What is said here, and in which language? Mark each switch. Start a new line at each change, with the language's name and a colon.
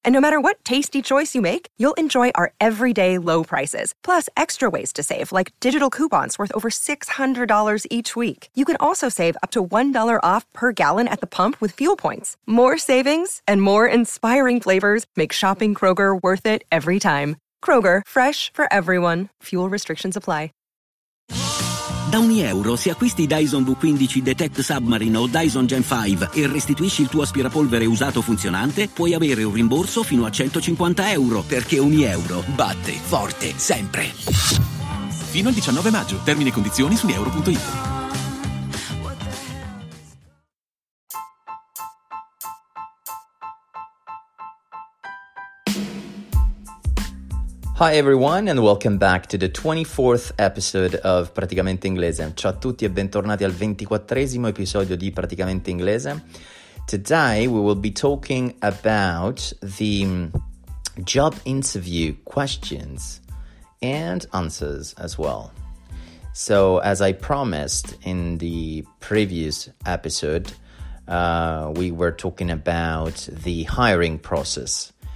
English: And no matter what tasty choice you make, you'll enjoy our everyday low prices, plus extra ways to save, like digital coupons worth over $600 each week. You can also save up to $1 off per gallon at the pump with fuel points. More savings and more inspiring flavors make shopping Kroger worth it every time. Kroger, fresh for everyone. Fuel restrictions apply.
Italian: Da ogni euro, se acquisti Dyson V15 Detect Submarine o Dyson Gen 5 e restituisci il tuo aspirapolvere usato funzionante, puoi avere un rimborso fino a 150 euro, perché ogni euro batte forte, sempre. Fino al 19 maggio. Termini e condizioni su euro.it.
English: Hi everyone and welcome back to the 24th episode of Praticamente Inglese.
Italian: Ciao a tutti e bentornati al 24esimo episodio di Praticamente Inglese.
English: Today we will be talking about the job interview questions and answers as well. So as I promised in the previous episode, we were talking about the hiring process.